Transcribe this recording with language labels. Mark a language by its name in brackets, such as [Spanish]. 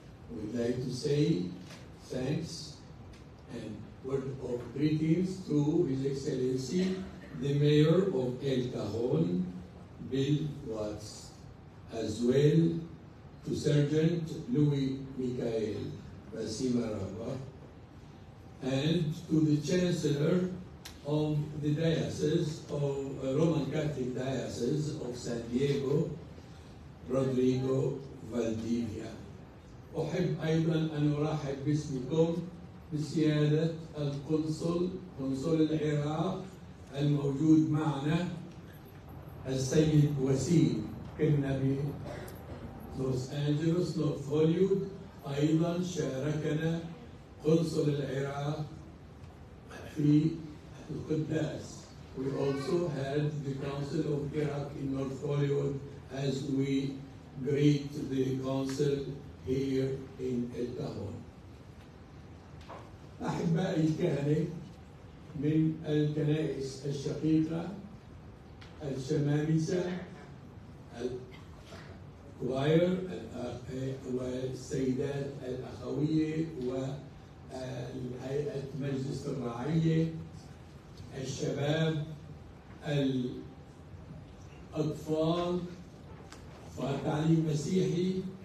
[English] We'd like to say thanks and word of greetings to His Excellency, the Mayor of El Cajon, Bill Watts, as well to Sergeant Louis Mikael Basimaraba, and to the Chancellor of the Diocese of Roman Catholic Diocese of San Diego, Rodrigo Valdivia. [Arabic] أحب أيضا أن أرحب باسمكم بسيادة القنصل قنصل العراق الموجود معنا السيد وسيم كنا في لوس أنجلوس نورث هوليوود. أيضا شاركنا قنصل العراق في القداس. [English] We also had the Council of Iraq in North Hollywood as we greet the Council here in El Cajon. [Arabic] أحبائي الكهنة من الكنائس الشقيقة الشمامسة الكواير والسيدات الأخوية والهيئة مجلس الرعية الشباب الأطفال والتعليم المسيحي